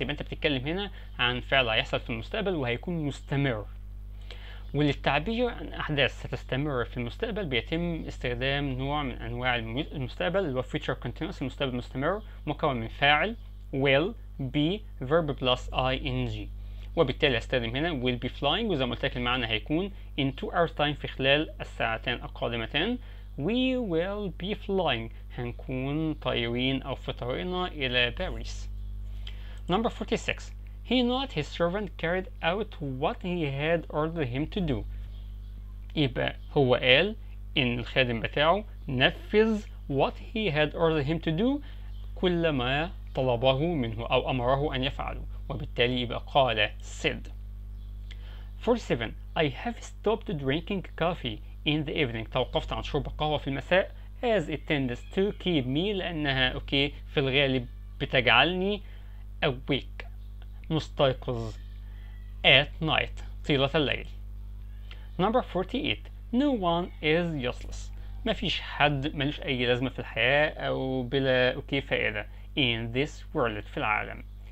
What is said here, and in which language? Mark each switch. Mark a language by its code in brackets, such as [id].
[ar] يبقى أنت بتتكلم هنا عن فعل هيحصل في المستقبل وهيكون مستمر، وللتعبير عن أحداث ستستمر في المستقبل بيتم استخدام نوع من أنواع المستقبل اللي هو future continuous، المستقبل المستمر، مكون من فاعل will be verb plus ing. وبالتالي هستخدم هنا [en] will be flying، [ar] وزي ما قلت لك المعنى هيكون [en] in 2 hours time [ar] في خلال الساعتين القادمتين. [en] We will be flying، [ar] هنكون طائرين أو في طريقنا إلى باريس. [en] Number 46. He not his servant carried out what he had ordered him to do. [ar] يبقى هو قال إن الخادم بتاعه نفذ [en] what he had ordered him to do، [ar] كل ما طلبه منه أو أمره أن يفعله، وبالتالي يبقى قال said. [en] 47. I have stopped drinking coffee in the evening. [ar] توقفت عن شرب القهوة في المساء. [en] As it tends to keep me، [ar] لأنها أوكي في الغالب بتجعلني awake، مستيقظ، [en] at night، [ar] طيلة الليل. [en] Number 48. No one is useless، [ar] مفيش حد ملوش أي لازمة في الحياة أو بلا أوكي فائدة، [en] in this world، [ar] في العالم.